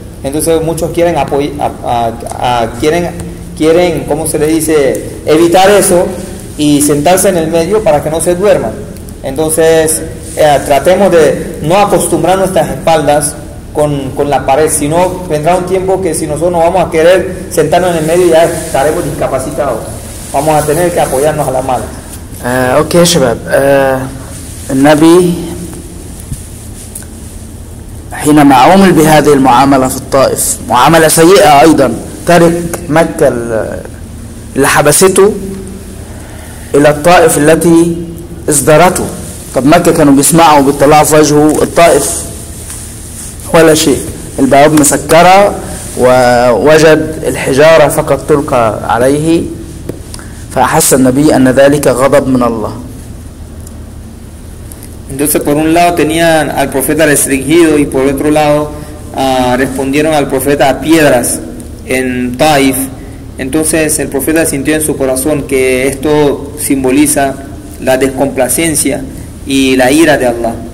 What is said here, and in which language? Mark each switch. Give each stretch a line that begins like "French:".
Spanish: Entonces muchos quieren, ¿cómo se le dice?, evitar eso y sentarse en el medio para que no se duerman. Entonces tratemos de no acostumbrar nuestras espaldas con la pared, sino vendrá un tiempo que si nosotros no vamos a querer sentarnos en el medio, ya estaremos discapacitados, vamos a tener que apoyarnos a la mano.
Arabic: Ok, شباب. النبي حينما عامل بهذه المعاملة في الطائف، معاملة سيئة أيضا، ترك مكة اللي حبسته إلى الطائف التي اصدرته. طب مكة كانوا بيسمعوا وبيطلعوا في وجهه، الطائف ولا شيء، الباب مسكرة، ووجد الحجارة فقط تلقى عليه، فأحس النبي أن ذلك غضب من الله.
Spanish: Entonces, por un lado tenían al profeta restringido y por otro lado respondieron al profeta a piedras en Taif. Entonces el profeta sintió en su corazón que esto simboliza la descomplacencia y la ira de Allah.